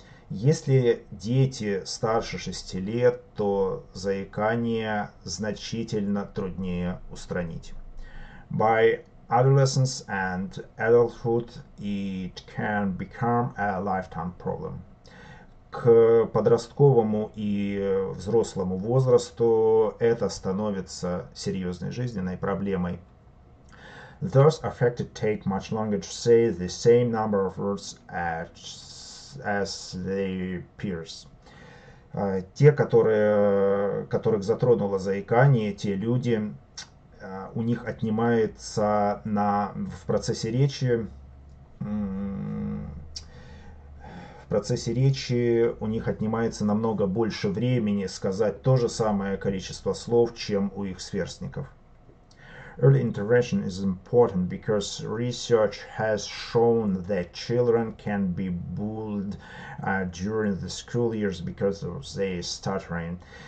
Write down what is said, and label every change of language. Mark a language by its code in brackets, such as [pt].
[ru] Если дети старше 6 лет, то заикание значительно труднее устранить. [en] By adolescence and adulthood, it can become a lifetime problem. [ru] К подростковому и взрослому возрасту это становится серьезной жизненной проблемой. [en] Those affected take much longer to say the same number of words as their peers. [ru] Те, которых затронуло заикание, те люди, у них отнимается в процессе речи, у них отнимается намного больше времени сказать то же самое количество слов, чем у их сверстников. [en] Early intervention is important because research has shown that children can be bullied during the school years because of their stuttering.